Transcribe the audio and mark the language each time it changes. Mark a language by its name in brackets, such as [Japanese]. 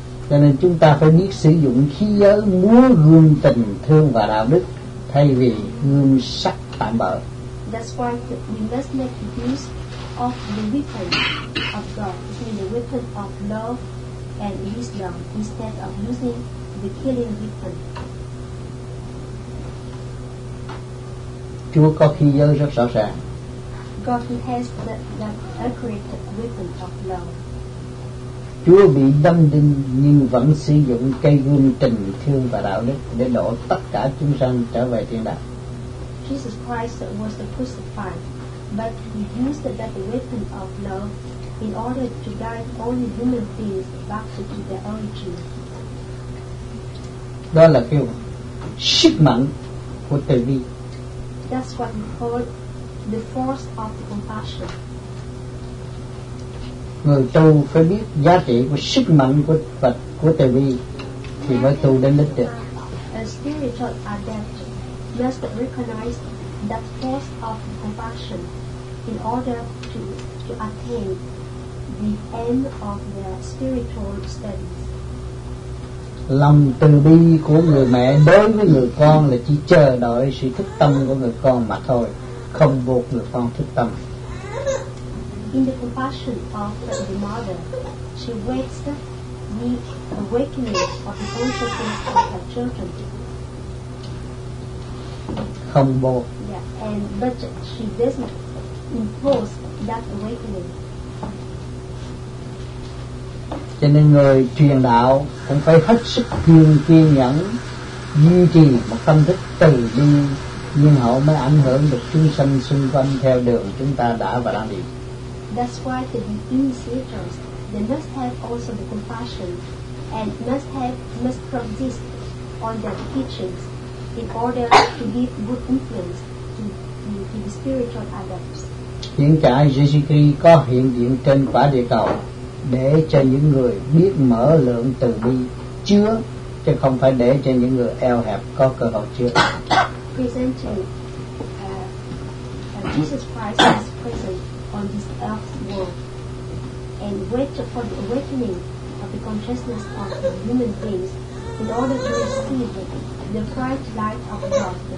[Vietnamese] Cho nên chúng ta phải biết sử dụng khí giới múa gương tình thương và đạo đức thay vì gương sắc. [English] That's why we must make use of the weapon of God, between the weapon of love and wisdom, instead of using the killing weapon. [Vietnamese] Chúa có khí giới rất rõ ràng. [English] God has the accurate weapon of love. [Vietnamese] Chúa bị đâm đinh nhưng vẫn sử dụng cây gươm tình thương và đạo đức để đổ tất cả chúng sanh trở về thiên đàng. [English] Jesus Christ was crucified, but he used that weapon of love in order to guide all human beings back to their origin. [Vietnamese] Đó là cái sức mạnh của từ bi. [English] That's what we call the force of compassion. [Vietnamese] Người tu phải biết giá trị của sức mạnh của Phật của từ bi thì mới tu đến đích được. [English] A spiritual adept must recognize that force of compassion in order to attain the end of their spiritual studies. [Vietnamese] Lòng từ bi của người mẹ đối với người con là chỉ chờ đợi sự thức tâm của người con mà thôi, không buộc người con thức tâm. [English] In the compassion of the mother, she waits the awakening of the consciousness of her children. [Vietnamese] Không buộc. [English] Yeah, and but she doesn't impose that awakening. [Vietnamese] Cho nên người truyền đạo cũng phải hết sức kiên nhẫn, duy trì một tâm thức từ bi, nhưng họ mới ảnh hưởng được chúng sanh xung quanh theo đường chúng ta đã và đang đi. [English] That's why the initiators, they must have also the compassion and must persist on their teachings in order to give good influence to the spiritual adepts. [Vietnamese] Hiện tại Jesus Christ có hiện diện trên quả địa cầu để cho những người biết mở lượng từ bi chứa, chứ không phải để cho những người eo hẹp có cơ hội chứa. [English] Presenting Jesus Christ is present on this earth world and wait for the awakening of the consciousness of the human beings in order to receive the bright light of God.